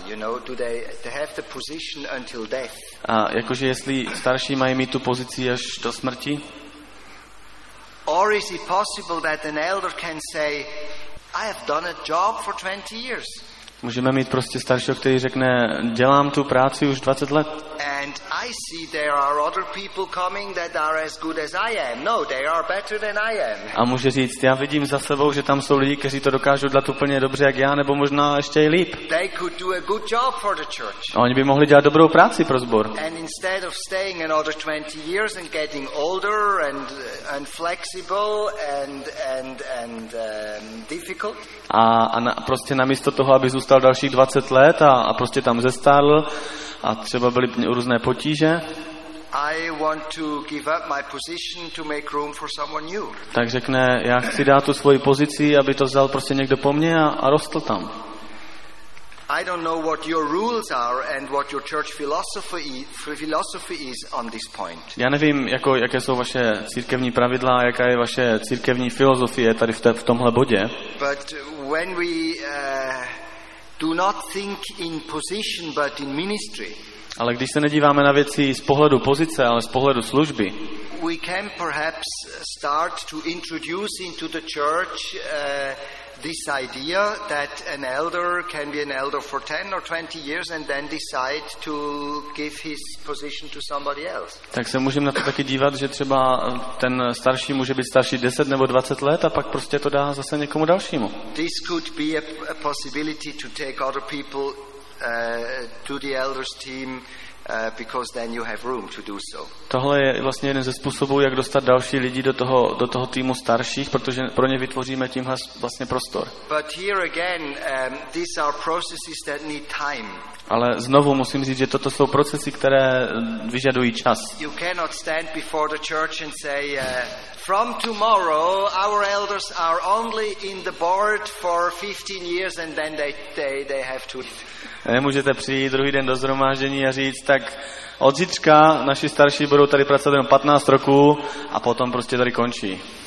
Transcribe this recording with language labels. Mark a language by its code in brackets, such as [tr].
[en] You know, do they have the position until death? [cs] Jakože jestli starší mají mít tu pozici až do smrti? [en] Or is it possible that an elder can say I have done a job for 20 years. [cs] Můžeme mít prostě staršího, který řekne, dělám tu práci už 20 let. [en] And I see there are other people coming that are as good as I am. No, they are better than I am. [cs] A může říct, já vidím za sebou, že tam jsou lidi, kteří to dokážou dělat úplně dobře jak já, nebo možná ještě i líp. [en] They could do a good job for the church. [cs] A oni by mohli dělat dobrou práci pro sbor. [en] And instead of staying another 20 years and getting older and flexible and difficult. [cs] A prostě namísto toho, aby zůstal dalších 20 let a prostě tam zestárl a třeba byly různé potíže. [en] I want to give up my position to make room for someone new. [cs] Tak řekne, já chci dát tu svoji pozici, aby to vzal prostě někdo po mně a rostl tam. [en] I don't know what your rules are and what your church philosophy is on this point. [cs] Já nevím, jaké jsou vaše církevní pravidla, jaká je vaše církevní filozofie tady v tomhle bodě. [en] But when we do not think in position but in ministry. [cs] Ale když se nedíváme na věci z pohledu pozice, ale z pohledu služby. [en] We can perhaps start to introduce into the church this idea that an elder can be an elder for 10 or 20 years and then decide to give his position to somebody else. [cs] Tak se můžeme na to taky dívat, že třeba ten starší může být starší 10 nebo 20 let a pak prostě to dá zase někomu dalšímu. [en] This could be a possibility to take other people to the elders team because then you have room to do so. [cs] Tohle je vlastně jeden ze způsobů, jak dostat další lidi do toho týmu starších, protože pro ně vytvoříme tímhle vlastně prostor. [en] But here again, these are processes that need time. [cs] Ale znovu musím říct, že toto jsou procesy, které vyžadují čas. [en] You cannot stand before the church and say, from tomorrow our elders are only in the board for 15 years and then they have to. [cs] Nemůžete přijít druhý den do zhromáždění a říct, tak od zítřka naši starší budou tady pracovat jenom 15 roků a potom prostě tady končí.